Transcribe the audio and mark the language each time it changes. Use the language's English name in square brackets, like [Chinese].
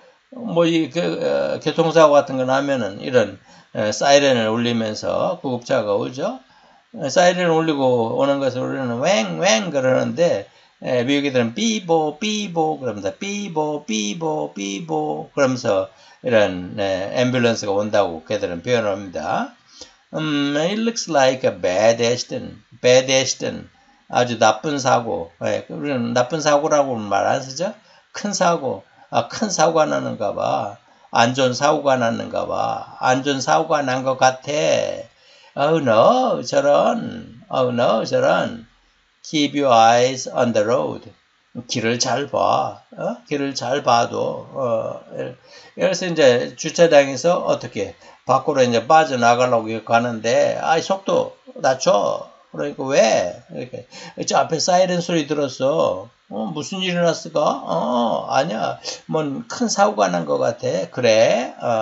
[Korean] 뭐이그 교통사고 같은 거 나면은 이런 사이렌을 울리면서 구급차가 오죠? 사이렌을 울리고 오는 것을 우리는 웽웽 그러는데 미국인들은 비보 비보 그럽니다. 비보 비보 비보 그러면서 이런 앰뷸런스가 온다고 걔들은 표현합니다. [English] It looks like a bad accident. Bad accident. [Korean] 아주 나쁜 사고. 우리는 나쁜 사고라고 말안 쓰죠? 큰 사고. 아, 큰 사고가 나는가 봐. 안 좋은 사고가 났는가 봐. 안 좋은 사고가 난것 같아. [English] Oh no, [Korean] 저런. [English] Oh no, 저런. Keep your eyes on the road. [Korean] 길을 잘 봐. 길을 잘 봐도. 그래서 이제 주차장에서 어떻게 밖으로 이제 빠져나가려고 가는데, 아이, 속도 낮춰. 그러니까 왜? 이렇게. 저 앞에 사이렌 소리 들었어. 무슨 일이 났을까? 아니야. 뭔큰 사고가 난것 같아. 그래.